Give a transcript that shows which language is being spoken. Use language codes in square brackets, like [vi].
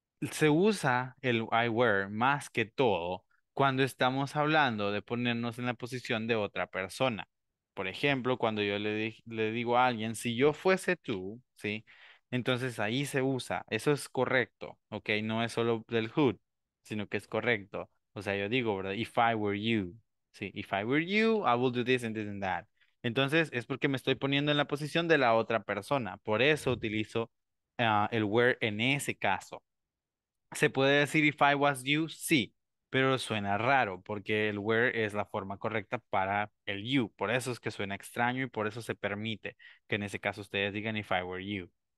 [es] Se usa el I were más que todo cuando estamos hablando de ponernos en la posición de otra persona. Por ejemplo, cuando yo le digo a alguien, si yo fuese tú, ¿sí? Entonces ahí se usa. Eso es correcto, ¿ok? No es solo del hood, sino que es correcto. O sea, yo digo, ¿verdad? [en] If I were you, [es] ¿sí? [en] If I were you, I would do this and this and that. [es] Entonces, es porque me estoy poniendo en la posición de la otra persona. Por eso utilizo el were en ese caso. ¿Se puede decir [en] if I was you? [es] Sí, pero suena raro porque el were es la forma correcta para el you. Por eso es que suena extraño y por eso se permite que en ese caso ustedes digan [en] if I were you.